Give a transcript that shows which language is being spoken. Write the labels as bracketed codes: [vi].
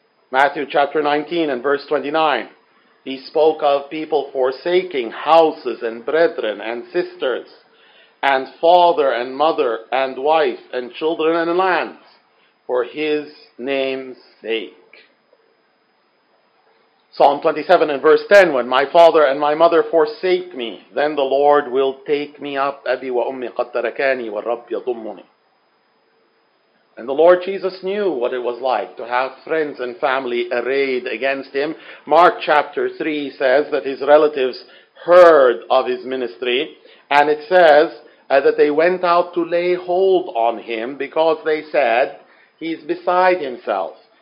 [en] Matthew chapter 19 and verse 29, he spoke of people forsaking houses and brethren and sisters and father and mother and wife and children and lands for his name's sake. Psalm 27 and verse 10, "When my father and my mother forsake me, then the Lord will take me up." [ar] أبي وأمي قد تركاني والرب يضمني. [en] And the Lord Jesus knew what it was like to have friends and family arrayed against him. Mark chapter 3 says that his relatives heard of his ministry, and it says that they went out to lay hold on him because they said, "He's beside himself.